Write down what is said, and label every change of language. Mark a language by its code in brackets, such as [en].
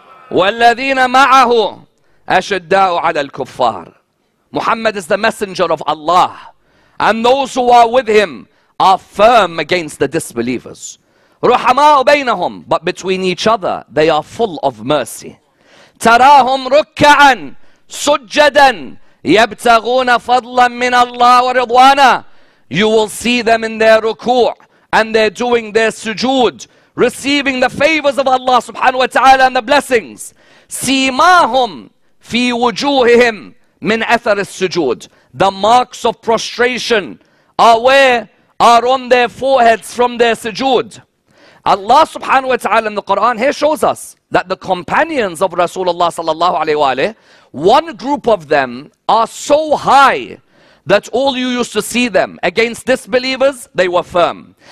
[ar] والذين معه أشداء على الكفار. [en] Muhammad is the messenger of Allah, and those who are with him are firm against the disbelievers. [ar] رحماء بينهم, [en] but between each other they are full of mercy. [ar] تراهم ركعا سجدا يبتغون فضلا من الله ورضوانا. [en] You will see them in their ركوع and they're doing their sujood, receiving the favors of Allah subhanahu wa ta'ala and the blessings. [ar] سيماهم في وجوههم من أثر السجود. [en] The marks of prostration are where? Are on their foreheads from their sujood. Allah subhanahu wa ta'ala in the Quran here shows us that the companions of Rasulullah sallallahu alayhi wa alayhi, one group of them are so high that all you used to see them against disbelievers, they were firm.